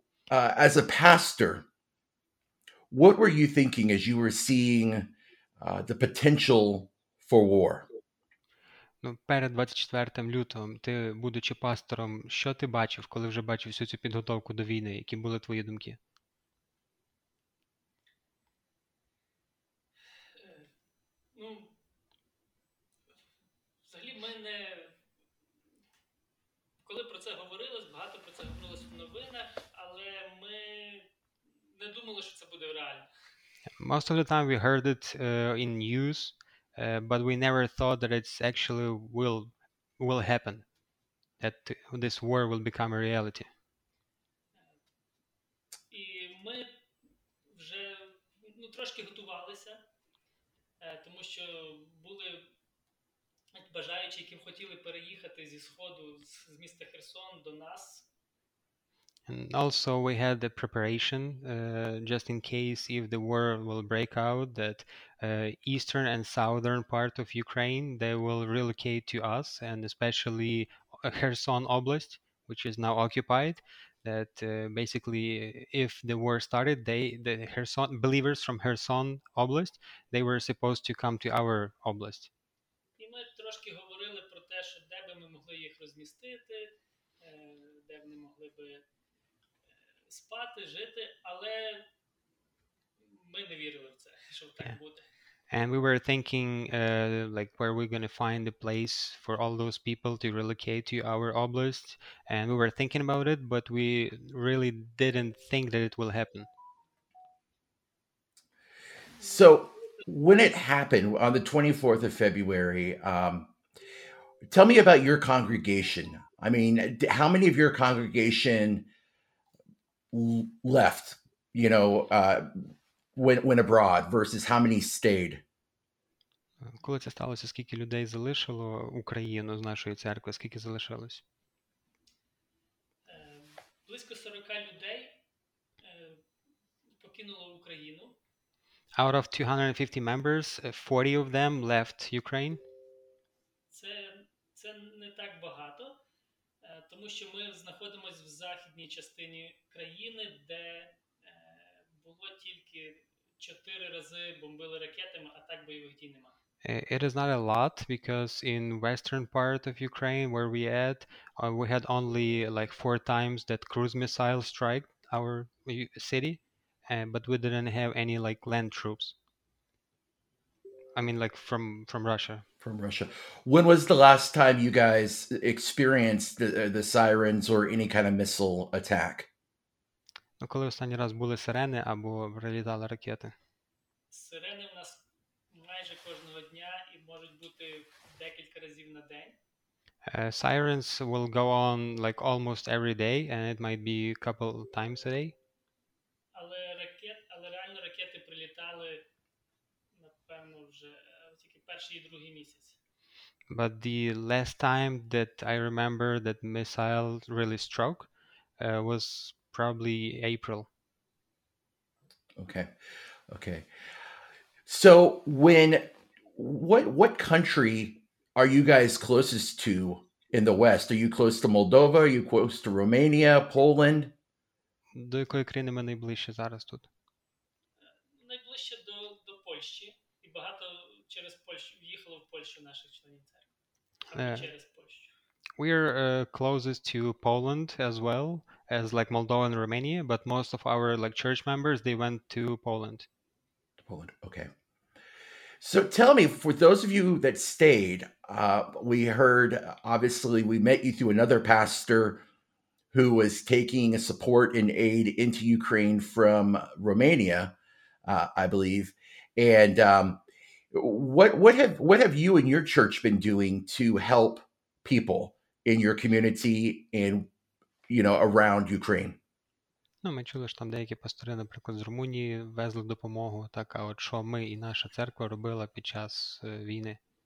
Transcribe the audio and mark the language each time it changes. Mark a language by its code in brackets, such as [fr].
[en] As a pastor, what were you thinking as you were seeing the potential for war? [uk] Перед 24 лютого, ти, будучи пастором, що ти бачив, коли вже бачив всю цю підготовку до війни? Які були твої думки? Взагалі, коли про це говорилось, багато про це говорилось в новинах, але ми не думали, що це буде реально. [en] Most of the time we heard it in news, but we never thought that it's actually will happen, that this war will become a reality. [uk] І ми вже трошки готувалися, тому що були бажаючі, які хотіли переїхати зі сходу, з міста Херсон до нас. [en] And also we had the preparation, just in case if the war will break out, that eastern and southern part of Ukraine, they will relocate to us, and especially Kherson Oblast, which is now occupied, that basically if the war started, the Kherson believers from Kherson Oblast, they were supposed to come to our oblast. [uk] І ми трошки говорили про те, що де би ми могли їх розмістити, де вони могли би спати, жити, але ми не вірили в це, що так буде. [en] And we were thinking like where we're going to find a place for all those people to relocate to our oblast, and we were thinking about it, but we really didn't think that it will happen. So when it happened on the 24th of February, tell me about your congregation. I mean, how many of your congregation left, you know, went abroad versus how many stayed? [uk] Коли це сталося, скільки людей залишило Україну з нашої церкви, скільки залишилось? Близько 40 людей покинуло Україну. [en] Out of 250 members, 40 of them left Ukraine. [uk] Це не так багато, тому що ми знаходимося в західній частині країни, де було тільки 4 рази бомбили ракетами, а так бойових дій немає. [en] It is not a lot, because in western part of Ukraine where we at, we had only like 4 times that cruise missile strike our city, but we didn't have any like land troops. I mean, like from Russia. From Russia. When was the last time you guys experienced the sirens or any kind of missile attack? [uk] Коли останній раз були сирени або прилітали ракети? Сирени в нас майже кожного дня і можуть бути декілька разів на день. [en] Sirens will go on like almost every day, and it might be a couple times a day. [uk] Але реально ракети прилітали, напевно, вже тільки перший і другий місяць. [en] But the last time that I remember that missile really struck was probably April. Okay. So when what country are you guys closest to in the West? Are you close to Moldova? Are you close to Romania, Poland? [uk] До якої країни ми найближче зараз тут? Найближче до Польщі, і багато через Польщу в'їхало в Польщу наших членів церкви. Через Польщу. [en] We are closest to Poland as well, as like Moldova and Romania, but most of our like church members, they went to Poland. Poland, okay. So tell me, for those of you that stayed, we heard, obviously, we met you through another pastor who was taking support and aid into Ukraine from Romania, I believe. And what have you and your church been doing to help people in your community and, you know, around Ukraine? [uk] Ну, ми чули, що там деякі пастори, наприклад, з Румунії везли допомогу. Так, а от що ми і наша церква робила під час війни?